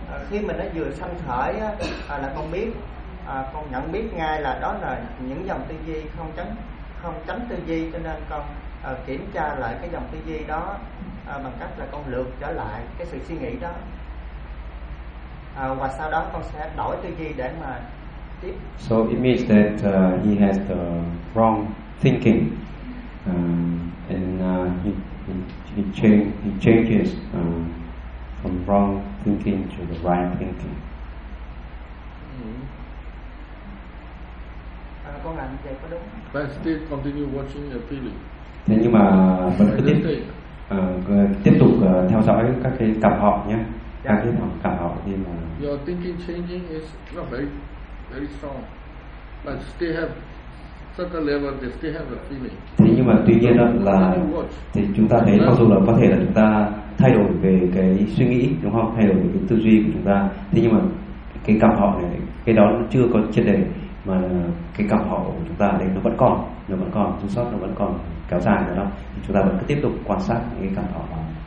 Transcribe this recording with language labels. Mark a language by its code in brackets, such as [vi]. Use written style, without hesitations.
[vi] Khi mình nó vừa sanh khởi là con biết, con nhận biết ngay là đó là những dòng tư duy không chánh tư duy, cho nên con kiểm tra lại cái dòng tư duy đó bằng cách là con lượt trở lại cái sự suy nghĩ đó. Và sau đó con sẽ đổi tư duy để mà tiếp. [en] So it means that he has the wrong thinking, and he changes from wrong thinking to the right thinking. [vi] Con làm vậy có đúng? [en] But still continue watching the feeling. [vi] Thế nhưng mà vẫn cứ tiếp tục theo dõi các cái cảm họ nhé. Các cái cảm họ thì mà [en] your thinking changing is not very very strong, but still have certain level, they still have the feeling. [vi] Thế nhưng mà tuy nhiên là thì chúng ta thấy mặc dù là có thể là chúng ta thay đổi về cái suy nghĩ đúng không, thay đổi về cái tư duy của chúng ta, thế nhưng mà cái cảm họ này, cái đó nó chưa có triệt để, mà cái cảm họ của chúng ta đấy nó vẫn còn thiếu sót, nó vẫn còn kéo dài nữa đó, thì chúng ta vẫn cứ tiếp tục quan sát cái cảm họ đó.